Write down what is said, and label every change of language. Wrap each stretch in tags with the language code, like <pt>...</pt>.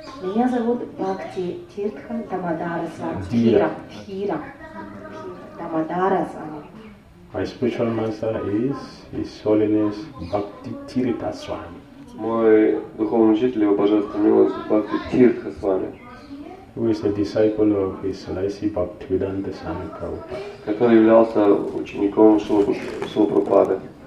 <ru>Меня зовут Бхакти Тиртха Дамодара Свами. Дхира. Дамодара Свами.</ru> <en>My spiritual master is His Holiness Bhakti Tirtha Swami.</en> <ru>Мой духовный учитель, его божественная милость, Бхакти Тиртха Свами.</ru> <en>Who is a disciple of His Holiness Bhaktivedanta Swami Prabhupada.</en> <ru>Который являлся учеником Шрилы Прабхупады.</ru>